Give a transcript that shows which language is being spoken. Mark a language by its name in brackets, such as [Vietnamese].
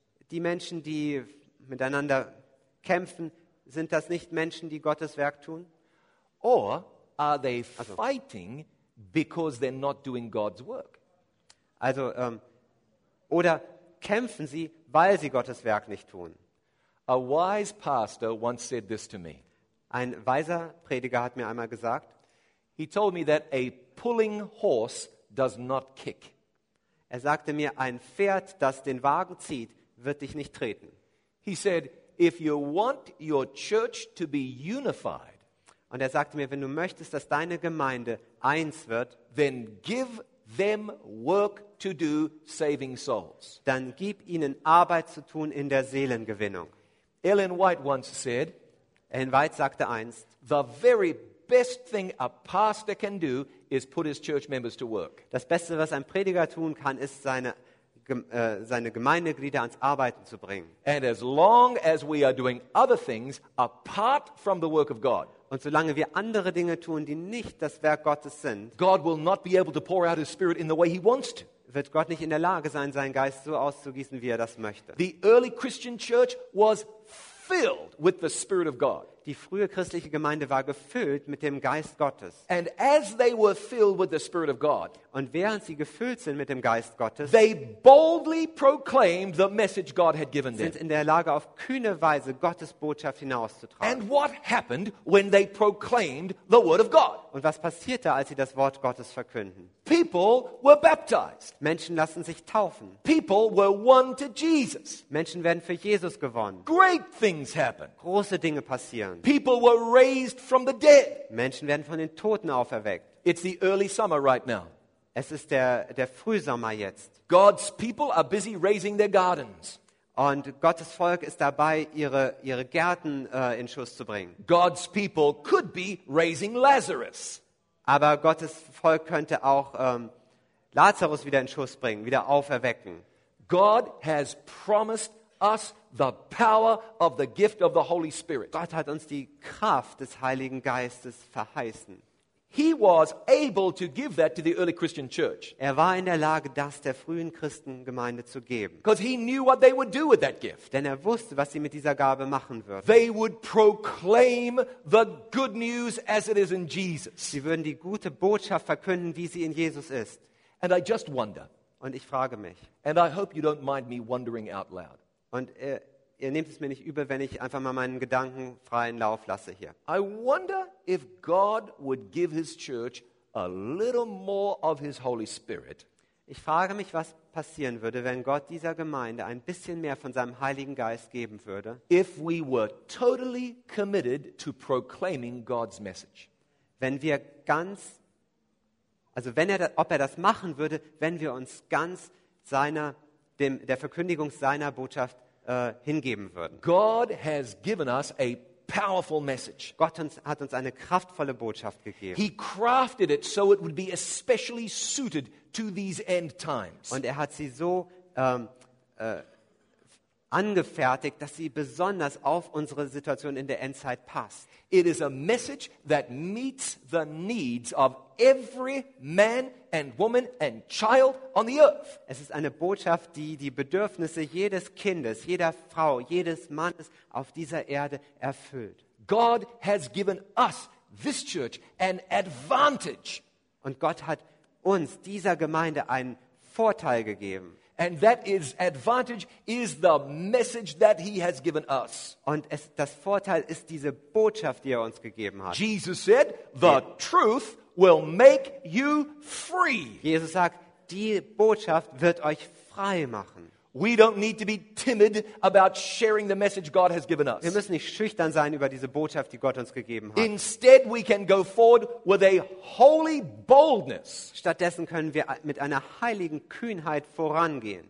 [German] Die Menschen, die miteinander kämpfen, sind das nicht Menschen, die Gottes Werk tun? [English] Or are they fighting because they're not doing God's work? [German] Also, oder kämpfen sie, weil sie Gottes Werk nicht tun? [English] A wise pastor once said this to me. [German] Ein weiser Prediger hat mir einmal gesagt. [English] He told me that a pulling horse does not kick. [German] Er sagte mir, ein Pferd, das den Wagen zieht, wird dich nicht treten. [English] He said, if you want your church to be unified. [German] Und er sagte mir, wenn du möchtest, dass deine Gemeinde eins wird, [English] then give them work to do saving souls. [German] Dann gib ihnen Arbeit zu tun in der Seelengewinnung. [English] Ellen White once said, [German] Ellen White sagte einst, [English] the very best thing a pastor can do is put his church members to work. [German] Das Beste, was ein Prediger tun kann, ist seine Gemeindeglieder ans Arbeiten zu bringen. [English] And as long as we are doing other things apart from the work of God, [German] und solange wir andere Dinge tun, die nicht das Werk Gottes sind, [English] God will not be able to pour out his spirit in the way he wants to. [German] Wird Gott nicht in der Lage sein, seinen Geist so auszugießen, wie er das möchte. [English] The early Christian church was filled with the Spirit of God. [German] Die frühe christliche Gemeinde war gefüllt mit dem Geist Gottes. [English] And as they were filled with the Spirit of God, [German] und während sie gefüllt sind mit dem Geist Gottes, [English] they boldly proclaimed the message God had given them. [German] Sind in der Lage, auf kühne Weise Gottes Botschaft hinauszutragen. [English] And what happened when they proclaimed the Word of God? [German] Und was passierte, als sie das Wort Gottes verkünden? [English] People were baptized. [German] Menschen lassen sich taufen. [English] People were won to Jesus. [German] Menschen werden für Jesus gewonnen. [English] Great things happen. [German] Große Dinge passieren. [English] People were raised from the dead. [German] Menschen werden von den Toten auferweckt. [English] It's the early summer right now. [German] Es ist der Frühsommer jetzt. [English] God's people are busy raising their gardens. [German] Und Gottes Volk ist dabei, ihre Gärten in Schuss zu bringen. [English] God's people could be raising Lazarus. [German] Aber Gottes Volk könnte auch Lazarus wieder in Schuss bringen, wieder auferwecken. [English] God has promised us the power of the gift of the Holy Spirit. [German] Gott hat uns die Kraft des Heiligen Geistes verheißen. [English] He was able to give that to the early Christian church. [German] Er war in der Lage, das der frühen Christengemeinde zu geben. [English] Because he knew what they would do with that gift. [German] Denn er wusste, was sie mit dieser Gabe machen würden. [English] They would proclaim the good news as it is in Jesus. [German] Sie würden die gute Botschaft verkünden, wie sie in Jesus ist. [English] And I just wonder. [German] Und ich frage mich. [English] And I hope you don't mind me wondering out loud. [German] Und ihr nehmt es mir nicht übel, wenn ich einfach mal meinen Gedanken freien Lauf lasse hier. [English] I wonder if God would give his church a little more of his Holy Spirit. [German] Ich frage mich, was passieren würde, wenn Gott dieser Gemeinde ein bisschen mehr von seinem Heiligen Geist geben würde. [English] If we were totally committed to proclaiming God's message. [German] Wenn wir ganz, also wenn er, ob er das machen würde, wenn wir uns ganz seiner, dem, der Verkündigung seiner Botschaft hingeben würden. [English] God has given us a powerful message. [German] Gott hat uns eine kraftvolle Botschaft gegeben. [English] He crafted it so it would be especially suited to these end times. [German] Und er hat sie so angefertigt, dass sie besonders auf unsere Situation in der Endzeit passt. [English] It is a message that meets the needs of every man and woman and child on the earth. [German] Es ist eine Botschaft, die die Bedürfnisse jedes Kindes, jeder Frau, jedes Mannes auf dieser Erde erfüllt. [English] God has given us, this church, an advantage. [German] Und Gott hat uns, dieser Gemeinde, einen Vorteil gegeben. [English] And that is advantage is the message that he has given us. [German] Und es, das Vorteil ist diese Botschaft, die uns gegeben hat. [English] Jesus said, the truth will make you free. [German] Jesus sagt, die Botschaft wird euch frei machen. [English] We don't need to be timid about sharing the message God has given us. [German] Wir müssen nicht schüchtern sein über diese Botschaft, die Gott uns gegeben hat. [English] Instead, we can go forward with a holy boldness. [German] Stattdessen können wir mit einer heiligen Kühnheit vorangehen.